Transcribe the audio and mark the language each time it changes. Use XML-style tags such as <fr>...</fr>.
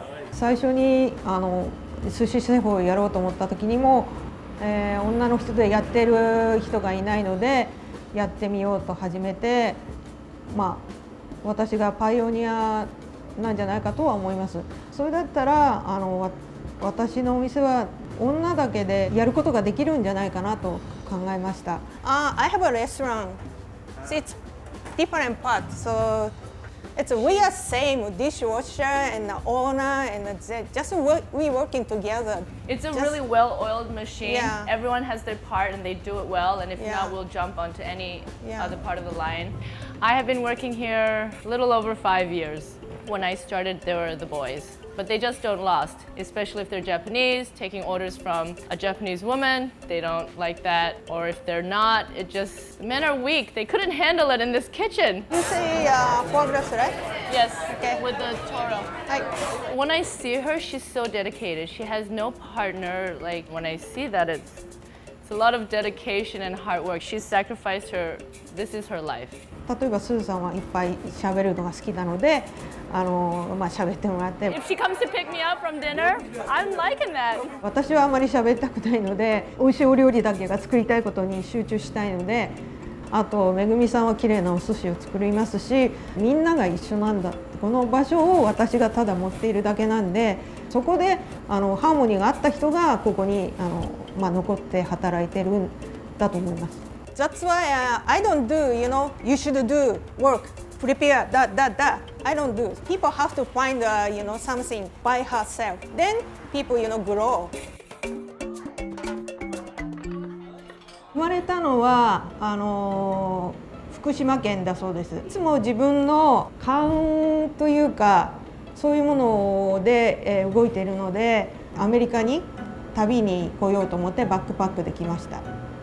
<ja>最初に寿司製法をやろうと思った時にも、女の人でやってる人がいないのでやってみようと始めて、まあ私がパイオニアなんじゃないかとは思います。それだったら私のお店は女だけでやることができるんじゃないかなと考えました。</ja> <en>I have a restaurant. It's different part. So It's we are same dishwasher and the owner and the just we working together. It's a just, really well-oiled machine. Yeah. Everyone has their part and they do it well. And if yeah. not, we'll jump onto any yeah. other part of the line. I have been working here a little over 5 years. When I started, there were the boys, but they just don't last. Especially if they're Japanese, taking orders from a Japanese woman, they don't like that. Or if they're not, it just, men are weak. They couldn't handle it in this kitchen. You say foie gras, right? Yes, okay. With the toro. Hi. When I see her, she's so dedicated. She has no partner. Like when I see that, it's a lot of dedication and hard work. She's sacrificed her, this is her life.</en> <ja>例えばスーさんはいっぱい喋るのが好きなので、喋ってもらって、</ja> <en>If she comes to pick me up from dinner, I'm liking that.</en> <ja>私はあまり喋りたくないので、美味しいお料理だけが作りたいことに集中したいので、あとめぐみさんは綺麗なお寿司を作りますし、みんなが一緒なんだ、この場所を私がただ持っているだけなんで、そこでハーモニーがあった人がここに残って働いてるんだと思います。</ja> <en>That's why I don't do, you know, you should do work, prepare, that. I don't do. People have to find, you know, something by herself. Then people, you know, grow.</en> <ja>生まれたのは福島県だそうです。いつも自分の勘というか、そういうもので動いているので、アメリカに旅に来ようと思ってバックパックで来ました。</ja>